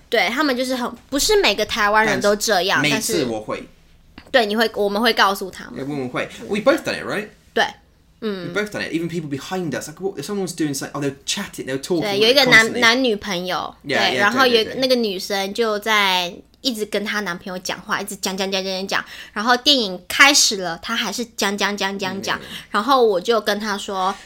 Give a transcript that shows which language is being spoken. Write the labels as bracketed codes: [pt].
[zh] 对他们就是很不是每个台湾人都这样，但是每次我会。对，你会，我们会告诉他们。我们会 [en] ，We both done it, right? [zh] 对。 [en] We both done it. Even people behind us, like, what, if someone's doing something, oh, they're chatting, they're talking. [zh] 对， [en] like, [zh] 有一个男女朋友， [en] yeah, 对， yeah, [zh] 然后有对那个女生就在一直跟她男朋友讲话，一直讲，然后电影开始了，她还是讲， yeah, yeah. 然后我就跟她说